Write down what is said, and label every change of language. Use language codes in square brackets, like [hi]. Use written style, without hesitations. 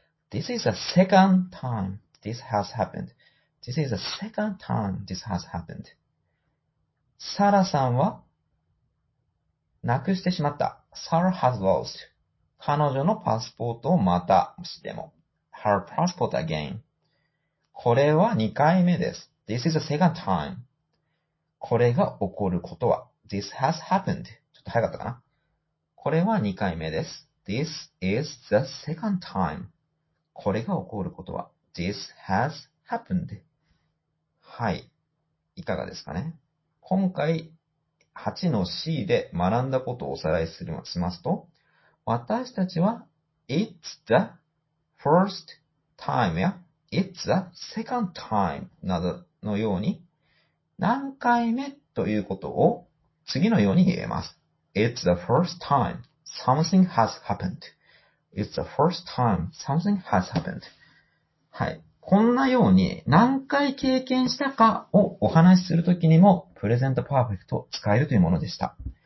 [en] This is the second time this has happened. This is the second time this has happened. [ja] サラさんは、なくしてしまった。 [en] Sarah has lost. [ja] 彼女のパスポートをまたしても。 [en] Her passport again. [ja] これは2回目です。 [en] This is the second time. [ja] これが起こることは。 [en] This has happened. [ja] ちょっと早かったかな。これは2回目です。 [en] This is the second time. [ja] これが起こることは。 [en] This has happened. [ja] はい。いかがですかね。今回8の C で学んだことをおさらいするしますと、私たちは [en] It's the first time [ja] や [en] It's the second time [ja] などのように何回目ということを次のように言えます。 [en] It's the first time something has happened. It's the first time something has happened. はい。 [ja] こんなように何回経験したかをお話しするときにもプレゼントパーフェクト使えるというものでした。